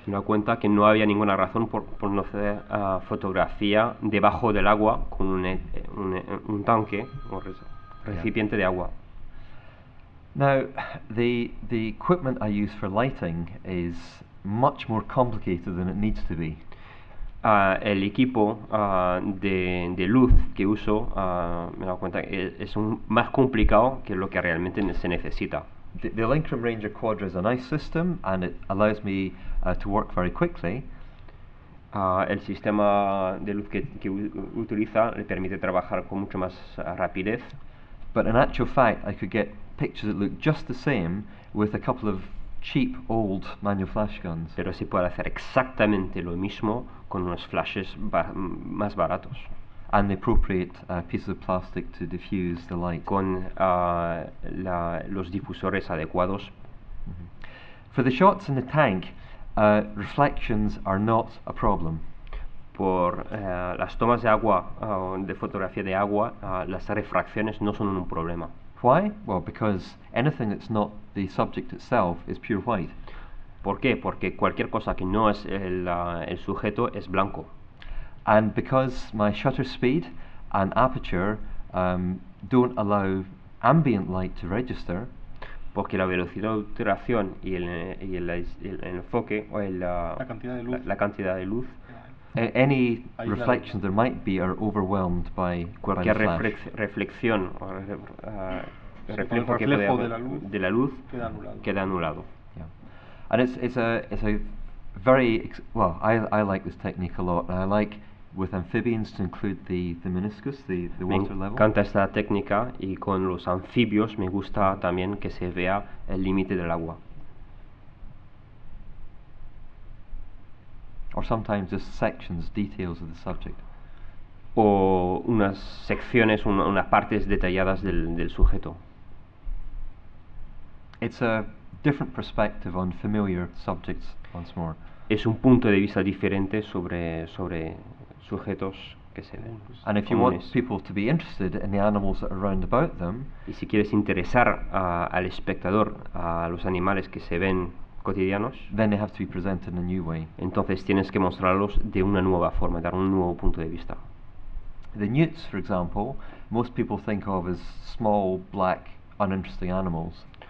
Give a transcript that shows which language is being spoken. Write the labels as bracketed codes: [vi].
[es] Me doy cuenta que no había ninguna razón por no hacer fotografía debajo del agua con un tanque o recipiente de agua. [en] Now, the equipment I use for lighting is much more complicated than it needs to be. [es] El equipo de luz que uso, me doy cuenta que es más complicado que lo que realmente se necesita. [en] The Linkrum Ranger Quadra is a nice system and it allows me to work very quickly. [es] El sistema de luz que utiliza le permite trabajar con mucho más rapidez. [en] But in actual fact, I could get pictures that look just the same with a couple of cheap old manual flash guns. [es] Pero se puede hacer exactamente lo mismo con unos flashes más baratos. [en] And the appropriate pieces of plastic to diffuse the light. [es] Con los difusores adecuados. Mm-hmm. [en] For the shots in the tank, reflections are not a problem. [es] Por las tomas de agua, de fotografía de agua, las refracciones no son un problema. [en] Why? Well, because anything that's not the subject itself is pure white. [es] ¿Por qué? Porque cualquier cosa que no es el sujeto es blanco. [en] And because my shutter speed and aperture don't allow ambient light to register, [es] porque la velocidad de obturación y el enfoque o la cantidad de luz, [en] any reflections there might be are overwhelmed by [es] cualquier reflexión o reflejo que pueda de la luz queda anulado. [en] Yeah. And it's a very well. I like this technique a lot, and I like with amphibians to include the meniscus, the water level. [es] Me encanta esta técnica y con los anfibios me gusta también que se vea el límite del agua. [en] Or sometimes just sections, details of the subject. [es] O unas secciones, unas partes detalladas del sujeto. [en] It's a different perspective on familiar subjects once more. [es] Es un punto de vista diferente sobre sujetos que se ven. [en] And if you want people to be interested in the animals that are around about them, [es] y si quieres interesar al espectador a los animales que se ven cotidianos, [en] then they have to be presented in a new way. [es] Entonces tienes que mostrarlos de una nueva forma, dar un nuevo punto de vista. [en] The newts, for example, most people think of as small, black, uninteresting animals.